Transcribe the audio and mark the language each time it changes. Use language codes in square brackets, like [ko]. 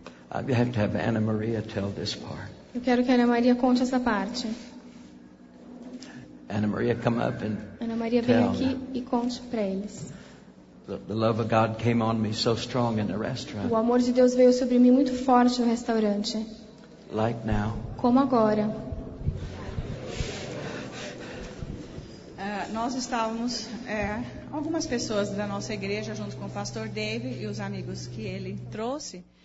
[en] I have to have Anna Maria tell this part. [pt] Eu quero que a Ana Maria conte essa parte. [en] Anna Maria, come up and [pt] Ana Maria, [en] tell [pt] vem aqui e conte para eles. [en] The love of God came on me so strong in the restaurant. [pt] O amor de Deus veio sobre mim muito forte no restaurante. [en] Like now. [pt] Como agora. Nós estávamos algumas pessoas da nossa igreja junto com o pastor Dave e os amigos que ele trouxe.